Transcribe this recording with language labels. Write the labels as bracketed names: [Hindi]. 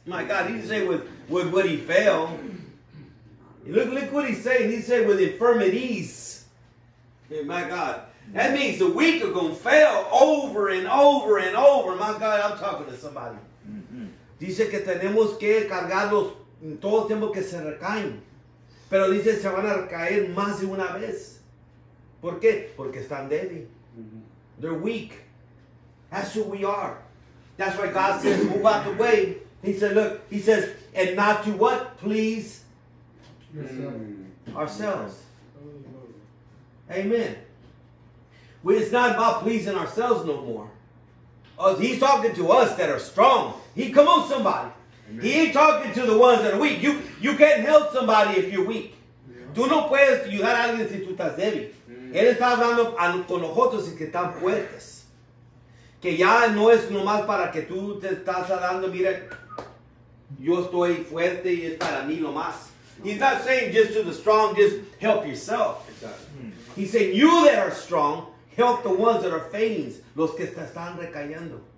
[English] My God, he didn't say with what he failed. Look what he's saying. He said with infirmities. Hey, my God. That means the weak are going to fail over and over and over. My God, I'm talking to somebody. [Spanish] Dice que tenemos que cargarlos en todo el tiempo que se recaen. Pero dice se van a recaer más de una vez. ¿Por qué? Porque están débiles. [English] Mm-hmm. They're weak. That's who we are. That's why God says, move out the way. He said, look, he says, and not to what? Please ourselves. Amen. Well, it's not about pleasing ourselves no more. He's talking to us that are strong. Come on, somebody. Amen. He ain't talking to the ones that are weak. You can't help somebody if you're weak. Yeah. [Spanish] Tú no puedes ayudar a alguien si tú estás débil. Él está hablando con nosotros y que están fuertes. Que ya no es nomás para que tú te estás hablando, mira, yo estoy fuerte y es para mí nomás. [English] He's not saying just to the strong, just help yourself. He's saying you that are strong, help the ones that are failing, [Spanish] los que están recayendo.